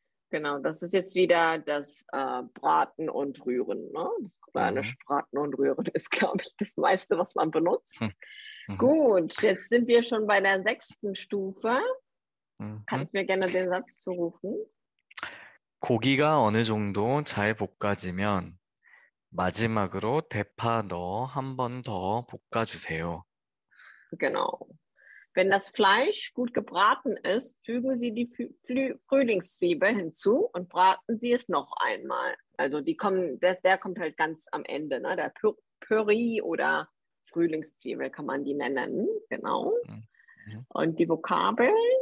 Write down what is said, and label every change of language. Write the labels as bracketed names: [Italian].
[German] Genau, das ist jetzt wieder das Braten und Rühren. Ne? Das koreanische Braten und Rühren ist, glaube ich, das meiste, was man benutzt. Gut, jetzt sind wir schon bei der sechsten Stufe. Kannst du mir gerne den Satz zurufen? [Korean] 고기가 어느 정도 잘 볶아지면 마지막으로 대파 넣어 한번더 볶아주세요. [German] Genau. Wenn das Fleisch gut gebraten ist, fügen Sie die Frühlingszwiebel hinzu und braten Sie es noch einmal. Also die kommen, der kommt halt ganz am Ende, ne? Der Püree oder Frühlingszwiebel kann man die nennen. Genau. Und die Vokabeln.